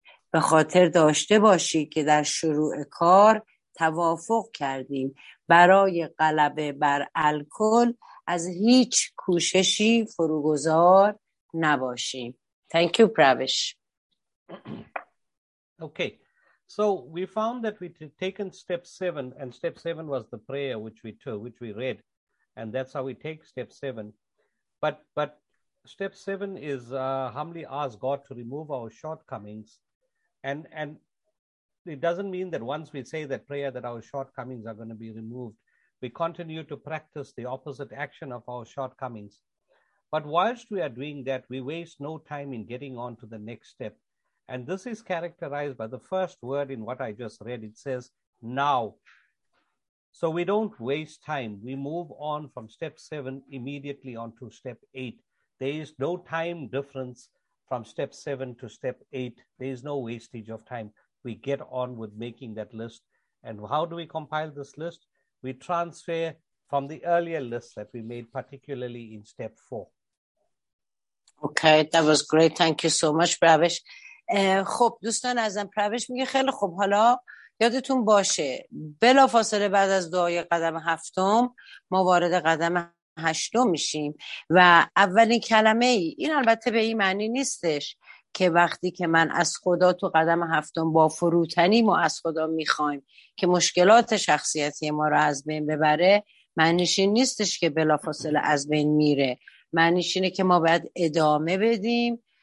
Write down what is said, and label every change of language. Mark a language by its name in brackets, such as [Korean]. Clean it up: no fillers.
[Persian] به خاطر داشته باشید که در شروع کار توافق کردیم برای غلبه بر الکل از هیچ کوششی فروگذار نباشیم. [English] Thank you, [Persian] Pravesh. [English] Okay, So we found that we'd taken step seven, and step seven was the prayer which we took, which we read, and that's how we take step seven. But step seven is humbly ask God to remove our shortcomings, and it doesn't mean that once we say that prayer that our shortcomings are going to be removed. We continue to practice the opposite action of our shortcomings. But whilst we are doing that, we waste no time in getting on to the next step. And this is characterized by the first word in what I just read. It says, now. So we don't waste time. We move on from step seven immediately onto step eight. There is no time difference from step seven to step eight. There is no wastage of time. We get on with making that list. And how do we compile this list? We transfer from the earlier list that we made, particularly in step four. Okay, that was great. Thank you so much, Pravesh. [Persian] خب دوستان عزیزم پروش میگه خیلی خب حالا یادتون باشه بلافاصله بعد از دعای قدم هفتم ما وارد قدم هشتم میشیم و اولین کلمه ای این البته به این معنی نیستش که وقتی که من از خدا تو قدم هفتم با فروتنی ما از خدا میخوایم که مشکلات شخصیتی ما رو از بین ببره معنیش این نیستش که بلافاصله از بین میره معنیش اینه که ما باید ادامه بدیم